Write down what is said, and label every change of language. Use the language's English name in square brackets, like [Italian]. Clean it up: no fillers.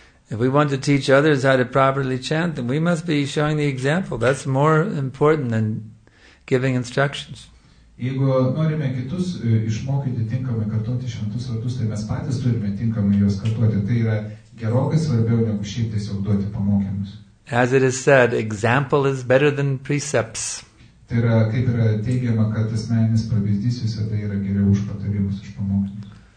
[English] If we want to teach others how to properly chant, then we must be showing the example. That's more important than giving instructions. [Lithuanian] Jeigu norime kitus išmokyti tinkamai kartuoti šventus vardus, tai mes patys turime tinkamai juos kartuoti. Tai yra gerokai svarbiau, negu šiaip tiesiog duoti pamokymus. [English] As it is said, example is better than precepts. [Lithuanian] Tai yra, kaip yra teigiama, kad asmeninis pavyzdys visada yra geriau už patarimus, už pamokymus.